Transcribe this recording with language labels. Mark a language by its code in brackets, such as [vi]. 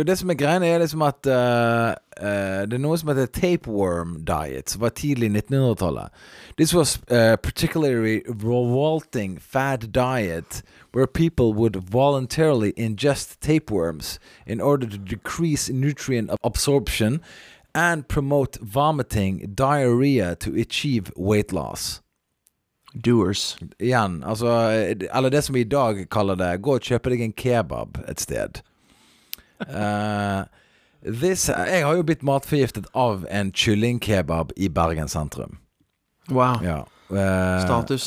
[no] Og det som greiene liksom at det noe som heter tapeworm diet, som var tidlig I 1900-tallet. [en] This was a particularly revolting fad diet where people would voluntarily ingest tapeworms in order to decrease nutrient absorption and promote vomiting, diarrhea to achieve weight loss. Doers. [no] Igjen, altså, eller det som vi I dag kaller det, gå og kjøpe deg en kebab et sted. Jeg har jo blitt matforgiftet av en kylling kebab I Bergen sentrum. [en] Wow. [no] Ja. Status.